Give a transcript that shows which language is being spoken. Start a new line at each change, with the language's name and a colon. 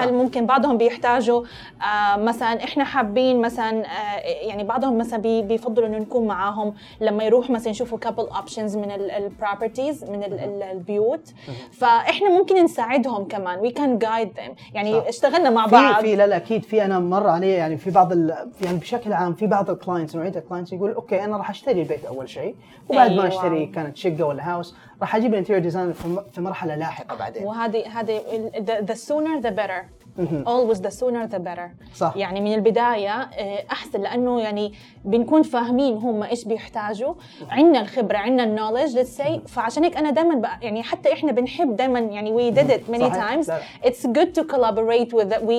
Arabic: هل ممكن بعضهم بيحتاجوا مثلا احنا حابين مثلا يعني بعضهم مثلا بيفضلوا انه نكون معاهم لما يروح مثلا يشوفوا couple options من البروبرتيز من البيوت فاحنا ممكن نساعدهم كمان
English: we can guide them
Arabic: يعني صح. اشتغلنا مع بعض في لا اكيد في انا مر علي يعني في بعض يعني بشكل عام في بعض الكلاينتس نوعيه الكلاينتس يقول اوكي انا راح اشتري البيت اول شيء وبعد ما اشتري كانت شقه ولا هاوس راح اجيب الانتيريور ديزاين في مرحله لاحقه بعدين
English: وهذه the sooner the better always the sooner the better
Arabic: صح. يعني من البدايه احسن لانه يعني بنكون فاهمين هم ايش بيحتاجوا عندنا الخبره عندنا النوليدج let's say فعشان هيك انا دائما يعني حتى احنا بنحب دائما يعني
English: we did it many times it's good to collaborate with that.